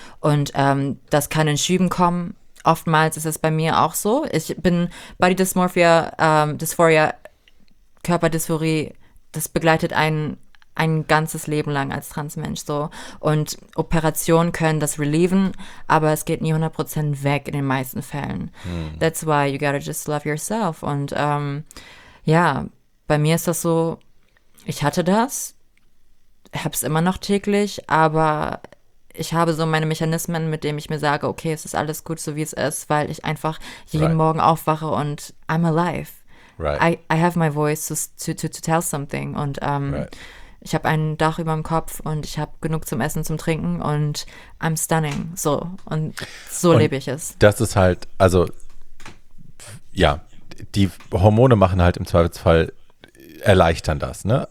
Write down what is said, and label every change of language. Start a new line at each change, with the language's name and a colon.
German: Und das kann in Schüben kommen. Oftmals ist es bei mir auch so. Ich bin Body Dysmorphia, Dysphoria, Körperdysphorie. Das begleitet einen ein ganzes Leben lang als Transmensch so. Und Operationen können das relieven, aber es geht nie 100% weg in den meisten Fällen.
English: That's why you gotta just love yourself.
German: Und ja, bei mir ist das so, ich hatte das, hab's immer noch täglich, aber ich habe so meine Mechanismen, mit denen ich mir sage, okay, es ist alles gut, so wie es ist, weil ich einfach jeden Morgen aufwache und
English: I'm alive. Right. I have my voice to tell something.
German: Und ich habe ein Dach über dem Kopf und ich habe genug zum Essen, zum Trinken und
English: I'm stunning.
German: So. Und so lebe ich es. Das ist halt, also ja, die Hormone machen halt im Zweifelsfall, erleichtern das, ne?